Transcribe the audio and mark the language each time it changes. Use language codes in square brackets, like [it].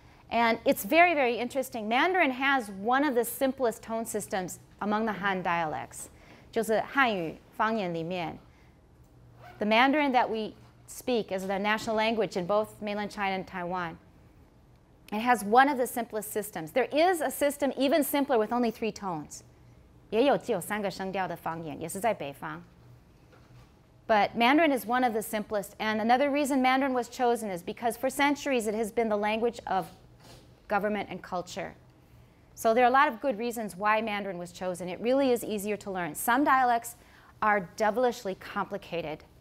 [en] And it's very, very interesting. Mandarin has one of the simplest tone systems among the Han dialects. [zh] 就是汉语方言里面, [en] the Mandarin that we speak as the national language in both mainland China and Taiwan, it has one of the simplest systems. There is a system even simpler with only three tones. [zh] 也有只有三个声调的方言，也是在北方. [en] But Mandarin is one of the simplest. And another reason Mandarin was chosen is because for centuries it has been the language of government and culture. So there are a lot of good reasons why Mandarin was chosen. It really is easier to learn. Some dialects are devilishly complicated.